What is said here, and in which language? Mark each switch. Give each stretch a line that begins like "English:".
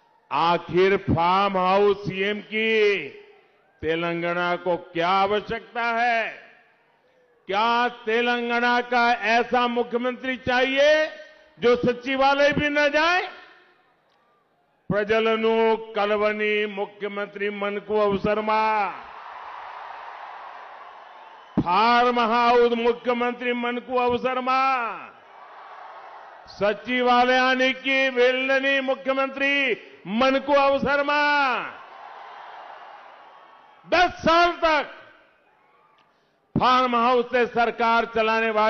Hindi: आखिर farm house CM की तेलंगाना को क्या आवश्यकता है? क्या तेलंगाना का ऐसा मुख्यमंत्री चाहिए जो सचिवालय भी न जाए?
Telugu: ప్రజలను కలవని ముఖ్యమంత్రి మనకు అవసరమ? ఫార్మ్ హౌస్ ముఖ్యమంత్రి మనకు అవసరమ? సచివాలయానికి వెళ్ళని ముఖ్యమంత్రి మనకు అవసరమా?
Hindi: 10 साल तक फार्म हाउस से सरकार चलाने वाले